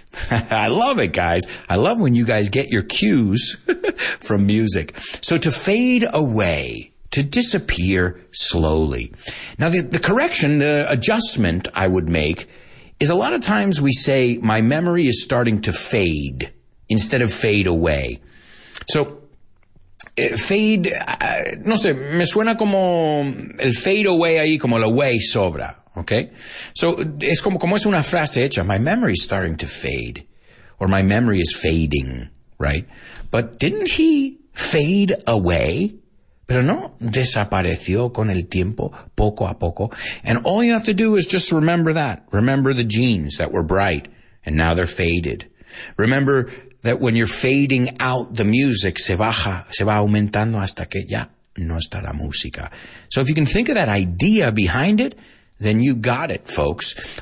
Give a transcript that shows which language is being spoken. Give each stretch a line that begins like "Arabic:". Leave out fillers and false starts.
English: I love it, guys. I love when you guys get your cues from music. So to fade away, to disappear slowly. Now, the correction, the adjustment I would make is a lot of times we say, my memory is starting to fade instead of fade away.
Spanish: So fade, no sé, me suena como el fade away ahí, como el away sobra, okay?
English: So,
Spanish: es como, como es una frase hecha,
English: my memory is starting to fade, or my memory is fading, right? But didn't he fade away?
Spanish: Pero no, desapareció con el tiempo, poco a poco.
English: And all you have to do is just remember that. Remember the genes that were bright, and now they're faded. Remember that when you're fading out the music,
Spanish: se baja, se va aumentando hasta que ya no está la música.
English: So if you can think of that idea behind it, then you got it, folks.